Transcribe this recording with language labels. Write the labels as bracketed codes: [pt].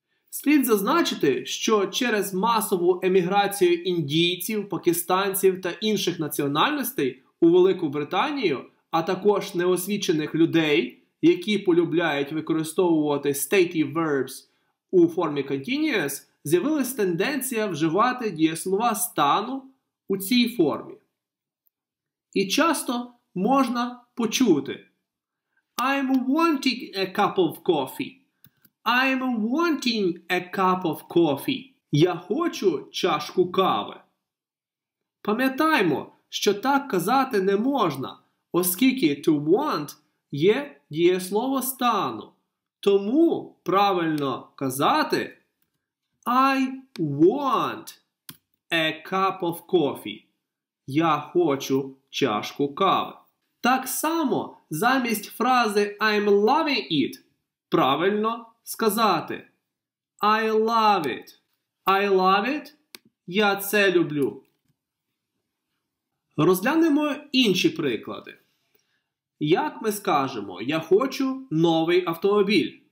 [uk] Слід зазначити, що через масову еміграцію індійців, пакистанців та інших національностей у Велику Британію, а також неосвічених людей, які полюбляють використовувати state verbs у формі continuous, з'явилась тенденція вживати дієслова стану у цій формі. І часто можна почути [en] «I'm wanting a cup of coffee». I'm wanting a cup of coffee. [uk] Я хочу чашку кави. Пам'ятаймо, що так казати не можна, оскільки to want є дієслово стану. Тому правильно казати [en] I want a cup of coffee. [uk] Я хочу чашку кави. Так само замість фрази [en] I'm loving it [uk] правильно сказати [en] I love it. I love it. [uk] Я це люблю. Розглянемо інші приклади. Як ми скажемо я хочу новий автомобіль.